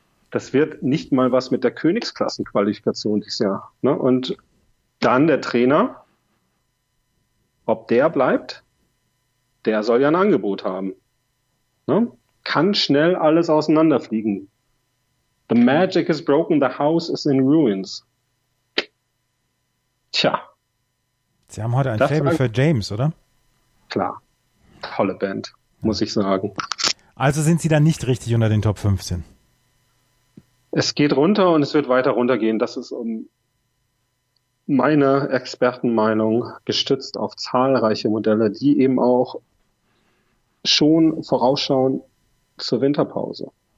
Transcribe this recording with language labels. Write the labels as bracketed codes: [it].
[de] Das wird nicht mal was mit der Königsklassenqualifikation dieses Jahr. Und dann der Trainer, ob der bleibt, der soll ja ein Angebot haben. Kann schnell alles auseinanderfliegen. [en] The magic is broken, the house is in ruins. [de] Tja. Sie haben heute ein Faible für James, oder? Klar. Tolle Band, muss ich sagen. Also sind Sie dann nicht richtig unter den Top 15? Es geht runter und es wird weiter runtergehen. Das ist meine Expertenmeinung, gestützt auf zahlreiche Modelle, die eben auch schon vorausschauen zur Winterpause.